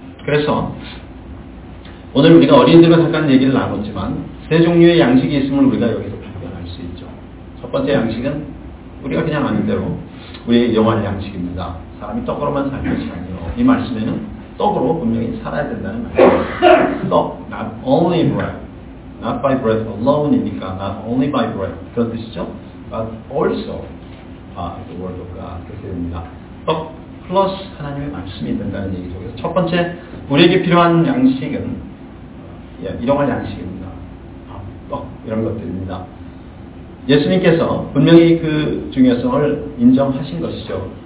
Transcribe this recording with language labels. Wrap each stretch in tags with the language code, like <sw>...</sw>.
<ko>그래서 오늘 우리가 어린이들과 잠깐 얘기를 나눴지만 세 종류의 양식이 있음을 우리가 여기서 발견할 수 있죠. 첫 번째 양식은 우리가 그냥 아는 대로 우리의 영원 양식입니다. 사람이 떡으로만 살 것이 아니요. 이 말씀에는 떡으로 분명히 살아야 된다는 말씀입니다.</ko> <en>떡, not only bread, not by bread alone이니까 not only by bread</en> <ko>그런 뜻이죠.</ko> <en>But also by the word of God</en> <ko>그렇게 됩니다. 떡 플러스 하나님의 말씀이 된다는 얘기죠. 그래서 첫 번째 우리에게 필요한 양식은 일용할 양식입니다. 밥, 떡 이런 것들입니다. 예수님께서 분명히 그 중요성을 인정하신 것이죠.</ko>